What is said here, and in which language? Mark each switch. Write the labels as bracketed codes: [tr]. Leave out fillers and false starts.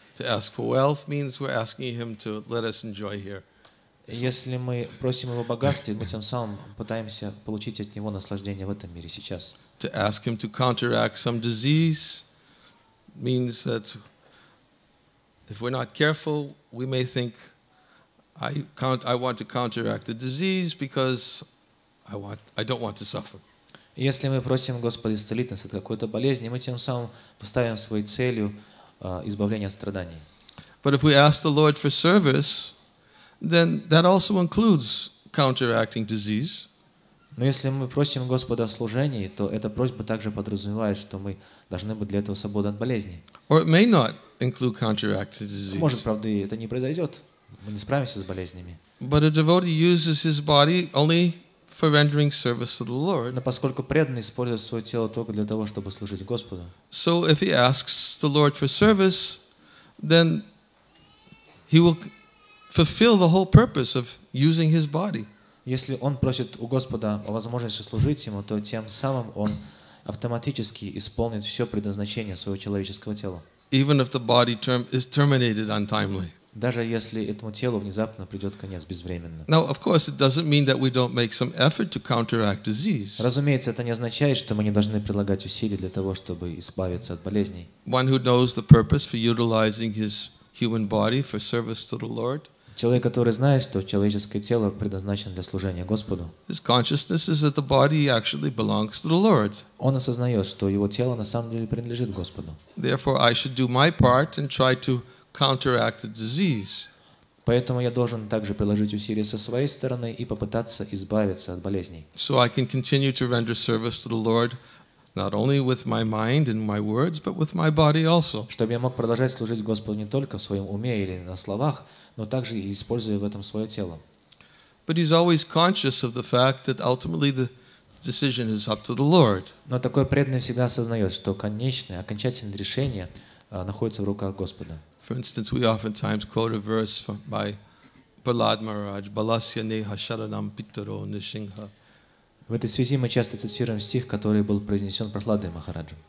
[en] To ask for wealth means we're asking Him to let us enjoy here. [ru] Если мы просим Его богатства, мы тем самым пытаемся получить от Него наслаждение в этом мире сейчас. [en] To ask Him to counteract some disease means that if we're not careful, we may think, I want to counteract the disease because I don't want to suffer. [ru] Если мы просим Господа исцелить нас от какой-то болезни, мы тем самым поставим своей целью избавление от страданий. [en] But if we ask the Lord for service, then that also includes counteracting disease. [ru] Но если мы просим Господа о служении, то эта просьба также подразумевает, что мы должны быть для этого свободны от болезни. [en] Or it may not include counteracting disease. [ru] Может, правда, это не произойдет. Мы не справимся с болезнями. [en] But a devotee uses his body only for rendering service to the Lord. [ru] Но поскольку преданный использует свое тело только для того, чтобы служить Господу. [en] So if he asks the Lord for service, then he will fulfill the whole purpose of using his body. [ru] Если он просит у Господа о возможности служить ему, то тем самым он автоматически исполнит все предназначение своего человеческого тела. [en] Even if the body term is terminated untimely. [ru] Даже если этому телу внезапно придет конец безвременно. [en] Now, of course, it doesn't mean that we don't make some effort to counteract disease. [ru] Разумеется, это не означает, что мы не должны прилагать усилий для того, чтобы избавиться от болезней. [en] One who knows the purpose for utilizing his human body for service to the Lord. [ru] Человек, который знает, что человеческое тело предназначено для служения Господу. [en] His consciousness is that the body actually belongs to the Lord. [ru] Он осознает, что его тело на самом деле принадлежит Господу. [en] Therefore, I should do my part and try to counteract the disease. [ru] Поэтому я должен также приложить усилия со своей стороны и попытаться избавиться от болезней. [en] So I can continue to render service to the Lord, not only with my mind and my words, but with my body also. [ru] Чтобы я мог продолжать служить Господу не только в своем уме или на словах, но также и используя в этом свое тело. [en] But he's always conscious of the fact that ultimately the decision is up to the Lord. [ru] Но такой преданный всегда осознает, что конечное, окончательное решение находится в руках Господа. [en] For instance, we oftentimes quote a verse by Prahlad Maharaj, [sa] Balasya Neha Sharanam Pitaro Nishingha. [ru] В этой связи мы часто цитируем стих, который был произнесен Прохладой Махараджем.